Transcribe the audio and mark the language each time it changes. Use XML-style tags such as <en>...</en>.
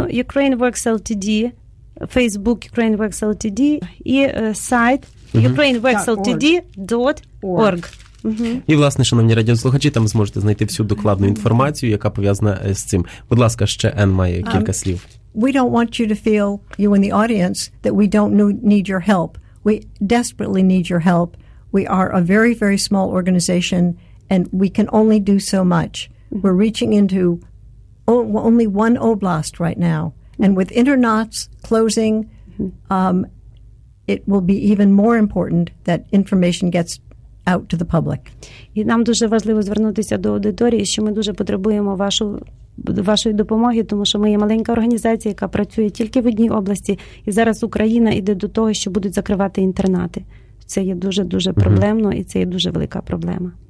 <uk>Ukraine Works LTD, Facebook Ukraine Works LTD і сайт ukraineworksltd.org. І, власне, шановні радіослухачі, там зможете знайти всю докладну інформацію, яка пов'язана з цим. Будь ласка, ще Енн має кілька слів.</uk> <en>We don't want you to feel, you in the audience, that we don't need your help. We desperately need your help. We are a very, very small organization, and we can only do so much. We're reaching into only one oblast right now. And with internats closing, it will be even more important that information gets out to the public.</en> <uk>І нам дуже важливо звернутися до аудиторії, що ми дуже потребуємо вашої допомоги, тому що ми є маленька організація, яка працює тільки в одній області, і зараз Україна іде до того, що будуть закривати інтернати. Це є дуже-дуже проблемно, і це є дуже велика проблема.</uk>